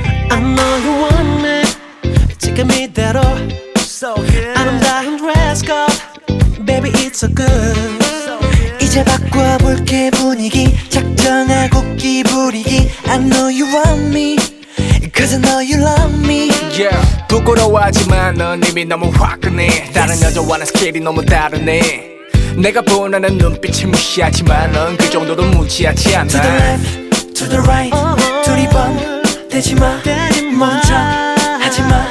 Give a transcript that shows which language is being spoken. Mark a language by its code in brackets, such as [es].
[en] I know you want me, [ko] 지금이대로 [en] so good. [ko] 아름다운 [en] dress code, baby it's so good. So [ko] 이제 바꿔볼게 분위기, 작정하고 기부리기. [en] I know you want me, 'cause I know you love me. Yeah. [ko] 부끄러워하지만 넌 이미 너무 화끈해. [en] Yes. [ko] 다른 여자와는 스케일이 너무 다르네. 내가 보내는 눈빛이 무시하지만 넌 그 정도로 무지하지 않아. [en] To the left, to the right, [ko] 둘이 번 되지 마, 멈춰 하지 마.